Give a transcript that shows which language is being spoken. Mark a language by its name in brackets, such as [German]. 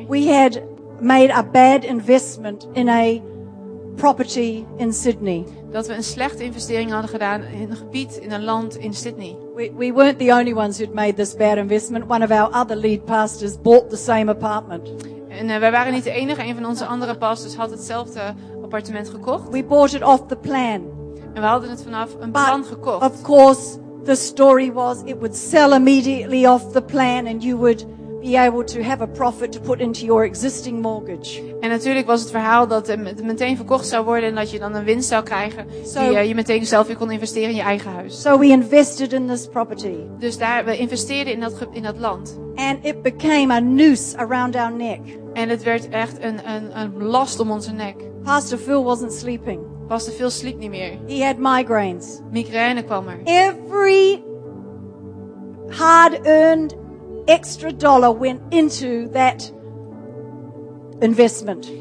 [English] We had made a bad investment in a property in Sydney. [Dutch] Dat we een slechte investering hadden gedaan in een gebied, in een land in Sydney. [English] We weren't the only ones who'd made this bad investment. One of our other lead pastors bought the same apartment. [Dutch] En wij waren niet de enige. Een van onze andere pastors had hetzelfde appartement gekocht. [English] We bought it off the plan. [Dutch] En we hadden het vanaf een plan gekocht. [English] Of course, the story was it would sell immediately off the plan and you would be able to have a profit to put into your existing mortgage. [Dutch] En natuurlijk was het verhaal dat het meteen verkocht zou worden en dat je dan een winst zou krijgen die je meteen zelf weer kon investeren in je eigen huis. [English] So we invested in this property. [Dutch] Dus daar we investeerden in dat land. [English] And it became a noose around our neck. [Dutch] En het werd echt een last om onze nek. [English] Pastor Phil wasn't sleeping. [Dutch] Pastor Phil sliep niet meer. [English] He had migraines. [Dutch] Migraine kwam er. [English] Every hard earned extra dollar went into that investment.